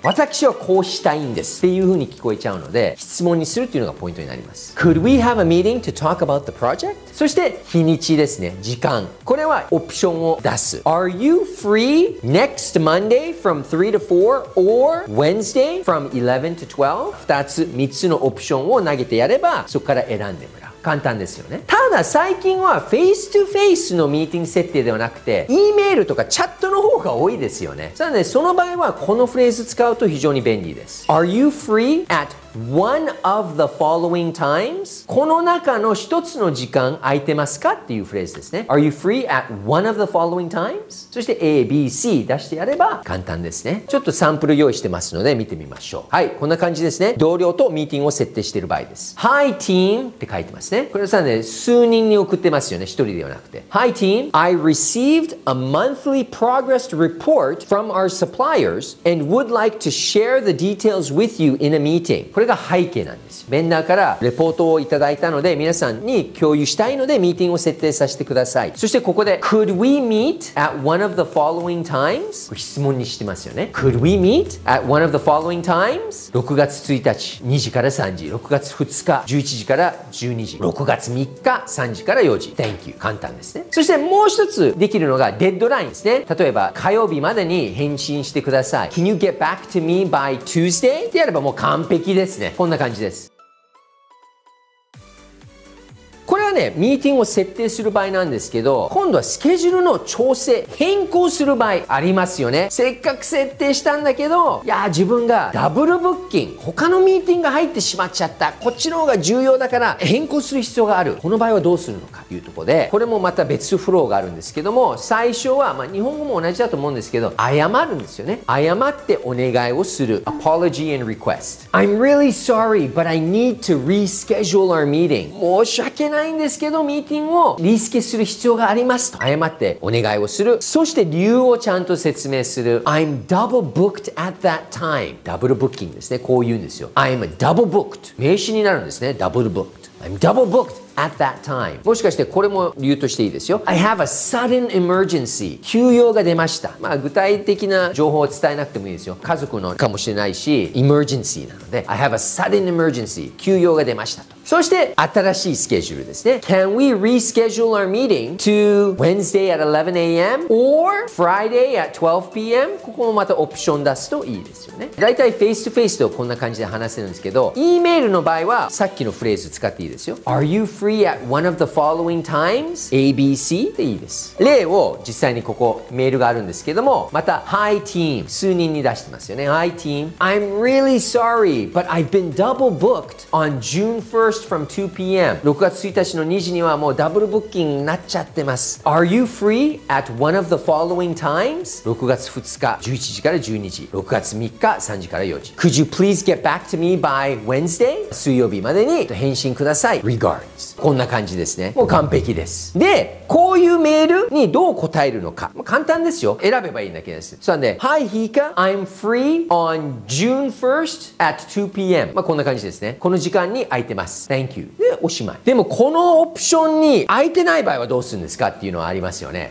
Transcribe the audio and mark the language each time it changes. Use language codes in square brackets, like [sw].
[ja] 私はこうしたいんですっていう風に聞こえちゃうので、質問にするっていうのがポイントになります。 [en] Could we have a meeting to talk about the project? [ja] そして日にちですね、時間。これはオプションを出す。 [en] Are you free next Monday from 3 to 4 or Wednesday from 11 to 12? [ja] 3つのオプションを投げてやれば、そこから選んでもらう。簡単ですよね。ただ最近はフェイストゥフェイスのミーティング設定ではなくて、 E メールとかチャットの方が多いですよね。なのでその場合はこのフレーズ使うと非常に便利です。 [en] Are you free at one of the following times? [ja] この中の一つの時間空いてますかっていうフレーズですね。 [en] Are you free at one of the following times? [ja] そして ABC 出してやれば簡単ですね。ちょっとサンプル用意してますので見てみましょう。はい、こんな感じですね。同僚とミーティングを設定している場合です。 [en] Hi team [ja] って書いてますね。これさね、数人に送ってますよね、一人ではなくて。 [en] Hi team, I received a monthly progress report from our suppliers and would like to share the details with you in a meeting. [ja] これが背景なんです。ベンダーからレポートをいただいたので、皆さんに共有したいのでミーティングを設定させてください。そしてここで [en] Could we meet at one of the following times? [ja] 質問にしてますよね。 [en] Could we meet at one of the following times? [ja] 6月1日、2時から3時、6月2日、11時から12時、6月3日3時から4時。 [en] Thank you。 [ja] 簡単ですね。そしてもう一つできるのがデッドラインですね。例えば火曜日までに返信してください。 [en] Can you get back to me by Tuesday? [ja] ってやればもう完璧ですね。こんな感じです。これはね、ミーティングを設定する場合なんですけど、今度はスケジュールの調整、変更する場合ありますよね。せっかく設定したんだけど、いや自分がダブルブッキング、他のミーティングが入ってしまっちゃった、こっちの方が重要だから変更する必要がある、この場合はどうするのかというところで、これもまた別フローがあるんですけども、最初は、まあ、日本語も同じだと思うんですけど、謝るんですよね。謝ってお願いをする。 [en] Apology and request. I'm really sorry but I need to reschedule our meeting. [ja] 申し訳ないないんですけど、ミーティングをリスケする必要がありますと謝ってお願いをする。そして理由をちゃんと説明する。 [en] I'm double booked at that time。 [ja] ダブルブッキングですね、こう言うんですよ。 [en] I'm double booked、 [ja] 名詞になるんですね。 [en] double booked、 I'm double bookedAt that time。 [ja] もしかしてこれも理由としていいですよ。 [en] I have a sudden emergency。 [ja] 急用が出ました。まあ具体的な情報を伝えなくてもいいですよ。家族のかもしれないし、 emergency なので [en] I have a sudden emergency、 [ja] 急用が出ましたと。そして新しいスケジュールですね。 [en] Can we reschedule our meeting to Wednesday at 11 a.m. or Friday at 12 p.m. [ja] ここもまたオプション出すといいですよね。だいたいフェイストゥフェイスとこんな感じで話せるんですけど、 E メールの場合はさっきのフレーズ使っていいですよ。 [en] Are you free at one of the following times? [ja] ABC でいいです。例を実際にここメールがあるんですけども、また [en] Hi team [ja] 数人に出してますよね。 [en] Hi team, I'm really sorry but I've been double booked on June 1st from 2 p.m. [ja] 6月1日の2時にはもうダブルブッキングになっちゃってます。 [en] Are you free at one of the following times? [ja] 6月2日11時から12時、6月3日3時から4時。 [en] Could you please get back to me by Wednesday? [ja] 水曜日までに返信ください。 Regards。 こんな感じですね。もう完璧です。で、こういうメールにどう答えるのか、簡単ですよ。選べばいいんだけです。そうなんで、 [en] Hi Hika, I'm free on June 1st at 2 p.m. [ja] まあこんな感じですね。この時間に空いてます、 [en] Thank you。 [ja] でおしまい。でもこのオプションに空いてない場合はどうするんですかっていうのはありますよね。